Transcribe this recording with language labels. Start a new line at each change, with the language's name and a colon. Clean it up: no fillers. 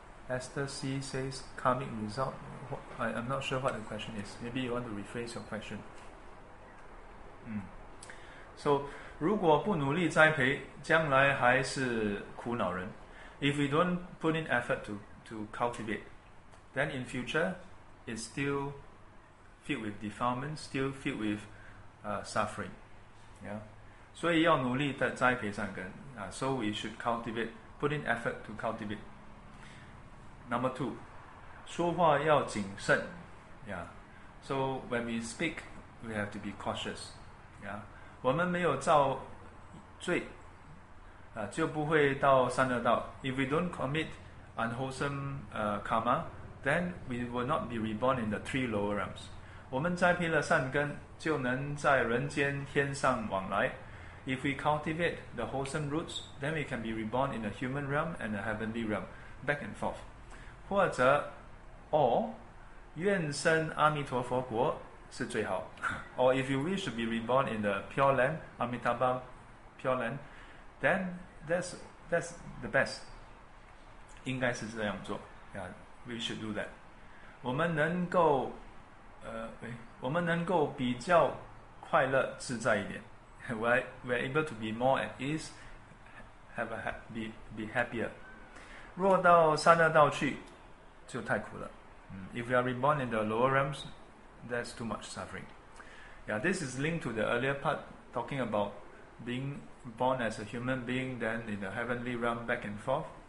English: Esther C says karmic result. I'm not sure what the question is. Maybe you want to rephrase your question.
Chinese: So, 如果不努力栽培, 将来还是苦恼人.
English: If we don't put in effort to cultivate, then in future, it's still filled with defilement, still filled with suffering. So we should cultivate, put in effort to cultivate. Number two,
Chinese: 说话要谨慎.
English: So when we speak, we have to be cautious.
Chinese: 我们没有造罪, 就不会到三恶道.
English: If we don't commit unwholesome karma, then we will not be reborn in the three lower realms.
Chinese: 我们栽培了善根, 就能在人间天上往来.
English: If we cultivate the wholesome roots, then we can be reborn in the human realm and the heavenly realm, back and forth.
Chinese: 或者, or, 愿生阿弥陀佛国是最好.
English: Or if you wish to be reborn in the pure land, Amitabha pure land, then that's the best.
Chinese: 应该是这样做.
English: Yeah, we should do that.
Chinese: 我们能够, 我们能够比较快乐自在一点.
English: We're able to be more at ease, be happier.
Chinese: 若到三恶道去, 就太苦了.
English: If we are reborn in the lower realms, that's too much suffering. Yeah, this is linked to the earlier part, talking about being born as a human being, then in the heavenly realm, back and forth.